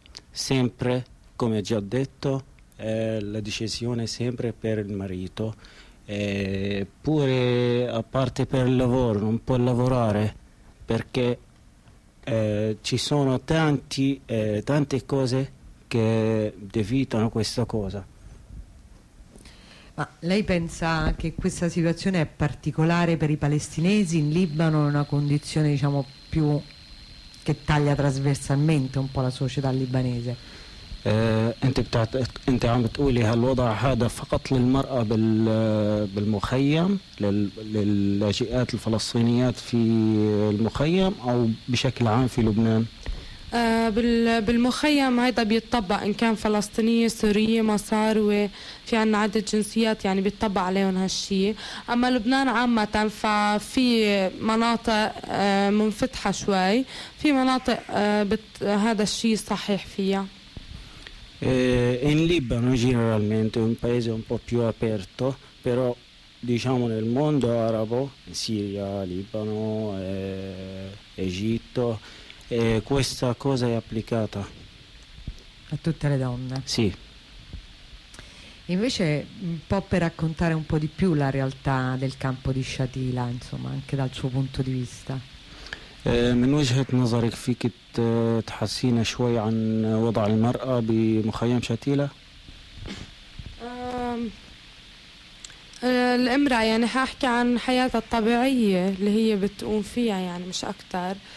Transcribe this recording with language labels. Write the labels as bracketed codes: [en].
[it] Sempre, come già detto, la decisione è sempre per il marito, pure a parte per il lavoro, non può lavorare perché ci sono tante cose che evitano questa cosa. Ma lei pensa che questa situazione è particolare per i palestinesi in Libano, è una condizione diciamo più che taglia trasversalmente un po' la società libanese. [ar] انت انت عم تقولي هالوضع هذا فقط للمرأة بالمخيم للاجئات الفلسطينيات في المخيم او بشكل عام في لبنان؟ بالمخيم هيدا بيتطبق ان كان فلسطينية سورية مصاروي، في عنا عدة جنسيات يعني بيتطبق عليهم هالشي، اما لبنان عامة ففي مناطق منفتحة شوي، في مناطق هذا الشي صحيح فيها. [it] In Libano generalmente è un paese un po' più aperto, però diciamo nel mondo arabo, in Siria, Libano, Egitto, questa cosa è applicata a tutte le donne. Sì. Invece un po' per raccontare un po' di più la realtà del campo di Shatila, insomma, anche dal suo punto di vista. [ar] من وجهة نظرك فيك تحسينا شوي عن وضع المرأة بمخيم شاتيلا؟ الإمرأة يعني هحكي عن حياتها الطبيعية اللي هي بتقوم فيها يعني مش أكتر.